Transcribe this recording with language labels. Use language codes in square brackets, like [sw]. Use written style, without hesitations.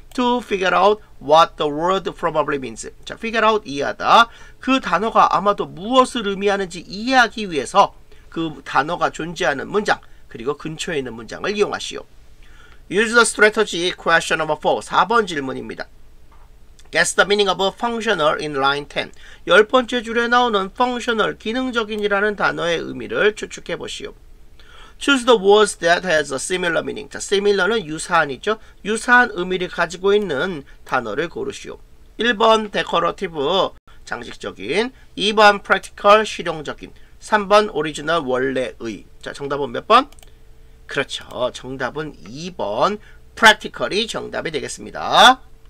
[en] To figure out what the word probably means. [ko] 자, [en] figure out, [ko] 이해하다. 그 단어가 아마도 무엇을 의미하는지 이해하기 위해서 그 단어가 존재하는 문장, 그리고 근처에 있는 문장을 이용하시오. [en] Use the strategy question number 4, [ko] 4번 질문입니다. [en] Guess the meaning of a functional in line 10. [ko] 열 번째 줄에 나오는 functional, 기능적인이라는 단어의 의미를 추측해보시오. [en] Choose the words that has a similar meaning. [ko] 자, similar는 유사한이죠. 유사한 의미를 가지고 있는 단어를 고르시오. 1번 decorative, 장식적인. 2번 practical, 실용적인. 3번 original, 원래의. 자, 정답은 몇 번? 그렇죠. 정답은 2번 practical이 정답이 되겠습니다.